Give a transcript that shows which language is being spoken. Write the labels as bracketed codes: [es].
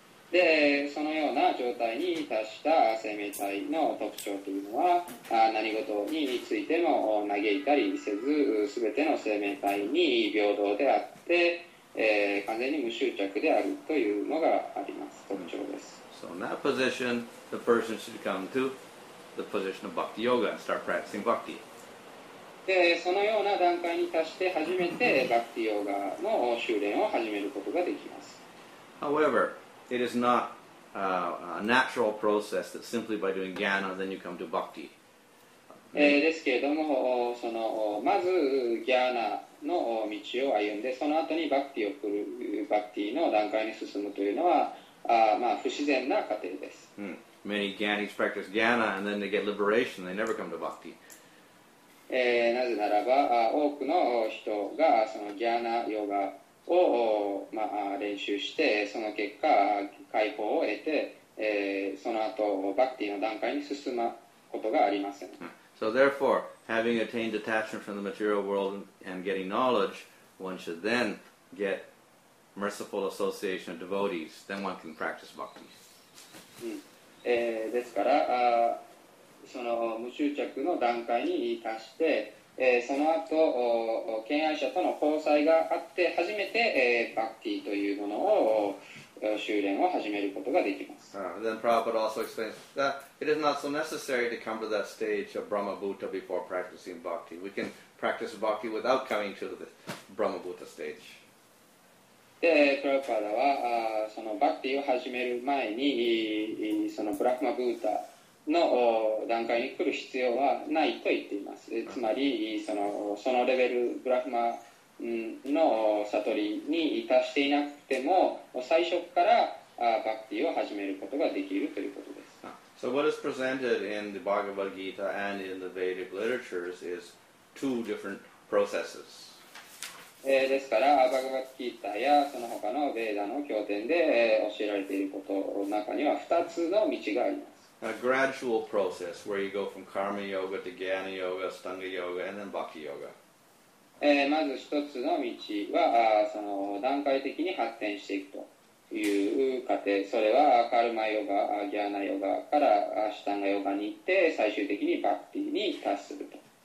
[ja] で、そのような状態に達した生命体の特徴というのは、何事についても嘆いたりせず、すべての生命体に平等であって、完全に無執着であるというのがあります。特徴です。 [en] So in that position, the person should come toThe position of bhakti yoga and start practicing bhakti. [ja] で、そのような段階に達して初めてbhakti yogaの修練を始めることができます。 [en] However, it is not a natural process that simply by doing jnana then you come to bhakti. [ja] ですけれども、そのまずギャーナの道を歩んで、その後にバクティを送る、バクティの段階に進むというのは、まあ、不自然な過程です。 Hmm. [en] Many Gyanis practice Gyana and then they get liberation, they never come to Bhakti. [ja] なぜならば、多くの人がそのギャーナヨガを、まあ、練習して、その結果解放を得て、その後バクティの段階に進むことがありません。 Hmm. [en] So therefore, having attained detachment from the material world and getting knowledge, one should then get merciful association of devotees. Then one can practice bhakti. [ja] ですから、その無執着の段階に達して、その後、敬愛者との交際があって、初めて、バクティというものを修練を始めることができます。 [en] Then Prabhupada also explains that it is not so necessary to come to that stage of Brahma Bhuta before practicing bhakti. We can practice bhakti without coming to the Brahma Bhuta stage. [ja] で、プラパダは、そのバクティを始める前に、そのブラフマブータの段階に来る必要はないと言っています。つまり、そのレベル、ブラフマの悟りに達していなくても、最初からバクティを始めることができるということです。 [en] So what is presented in the Bhagavad Gita and in the Vedic literatures is two different processes. [ja] ですから、バガバッキータやその他のベーダの経典で教えられていることの中には2つの道があります。 [en] A gradual process where you go from karma yoga to jnana yoga, stanga yoga, and then bhakti yoga. [ja] まず1つの道は、その段階的に発展していくという過程。それは、カルマヨガ、ジャーナヨガからスタンガヨガに行って、最終的にバクティに達すると。